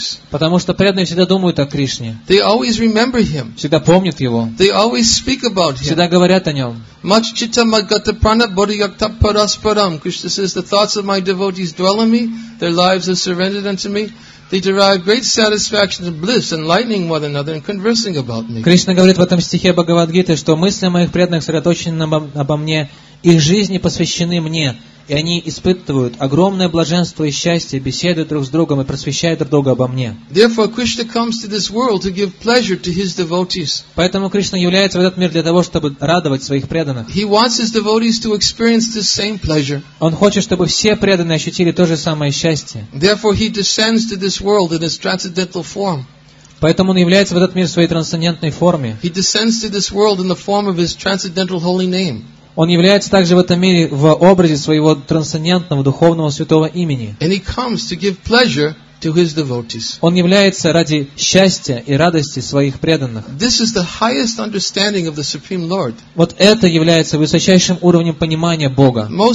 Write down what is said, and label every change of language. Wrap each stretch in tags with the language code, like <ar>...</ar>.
<ru>Потому что преданные всегда думают о Кришне. Всегда помнят Его. Всегда говорят о Нем.</ru> <en>Кришна says, the thoughts of my devotees dwell in me, their lives are surrendered unto me. They derive great satisfaction and bliss, enlightening one another and conversing about me.</en> <ru>Кришна говорит в этом стихе Бхагавадгиты, что мысли моих преданных сосредоточены обо мне, их жизни посвящены мне, и они испытывают огромное блаженство и счастье, беседуют друг с другом и просвещают друг друга обо мне.</ru> <en>Therefore, Krishna comes to this world to give pleasure to his devotees.</en> <ru>Поэтому Кришна является в этот мир для того, чтобы радовать своих преданных.</ru> <en>He wants his devotees to experience the same pleasure.</en> <ru>Он хочет, чтобы все преданные ощутили то же самое счастье.</ru> <en>Therefore, he descends to this world in his transcendental form.</en> <ru>Поэтому он является в этот мир в своей трансцендентной форме.</ru> <en>He descends to this world in the form of his transcendental holy name.</en> <ru>Он является также в этом мире в образе своего трансцендентного духовного святого имени. Он является ради счастья и радости своих преданных. Вот это является высочайшим уровнем понимания Бога.</ru>